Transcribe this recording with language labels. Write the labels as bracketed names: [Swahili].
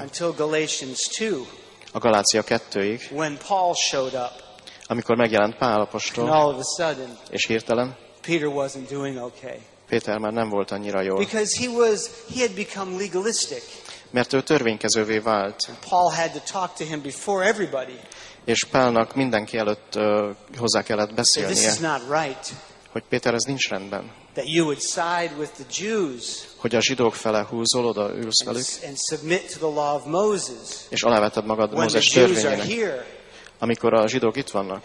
[English] Until Galatians 2, [Hungarian] a Galácia 2-ig, [English] when Paul showed up, [Hungarian] amikor megjelent Pál apostol, [English] and all of a sudden, [Hungarian] és hirtelen [English] Peter wasn't doing okay. [Hungarian] Péter már nem volt annyira jól. [English] Because he had become legalistic, [Hungarian] mert ő törvénykezővé vált. [English] And Paul had to talk to him before everybody, [Hungarian] és Pálnak mindenki előtt hozzá kellett beszélnie, [English] this is not right, [Hungarian] hogy Péter, ez nincs rendben, [English] that you would side with the Jews, [Hungarian] hogy a zsidók fele húzol, oda ülsz velük, [English] and submit to the law of Moses, [Hungarian] és aláveted magad Mózes törvényének, amikor a zsidók itt vannak.